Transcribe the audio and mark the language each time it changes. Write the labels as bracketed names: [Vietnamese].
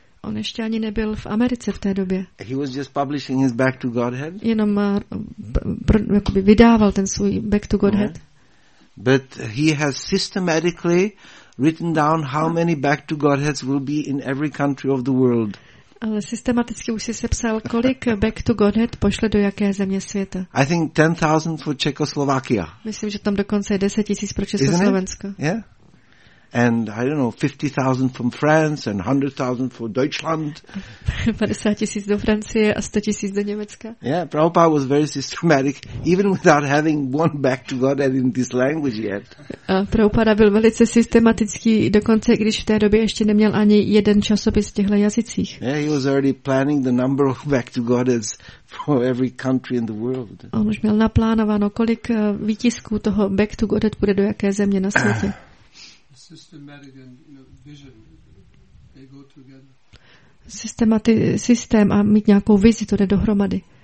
[Czech] On ještě ani nebyl v Americe v té době. [English] He was just publishing his back to Godhead. [Czech] Jenom jakoby vydával ten svůj back to Godhead. [English] But he has systematically written down how many back to Godheads will be in every country of the world. [Czech] Ale systematicky už si sepsal, kolik back to Godhead pošle do jaké země světa. [English] I think 10,000 for Czechoslovakia. [Czech] Myslím, že tam dokonce je 10,000 pro Československo. [English] Yeah. And I don't know, 50,000 from France and 100,000 for Deutschland. [Czech] 50,000 do Francie a 100,000 do Německa. [English] Yeah, Prabhupada was very systematic, even without having one back to Godhead in this language yet. [Czech] Prabhupada byl velice systematický, dokonce když v té době ještě neměl ani jeden časopis v těchto jazycích. [English] Yeah, he was already planning the number of back to Godheads for every country in the world. [Czech] On už měl naplánováno, kolik výtisků toho back to Godhead bude do jaké země na světě. [English] Systematic and, you know, vision, they go together. [Czech] Systém a mít nějakou vizi, to jde dohromady.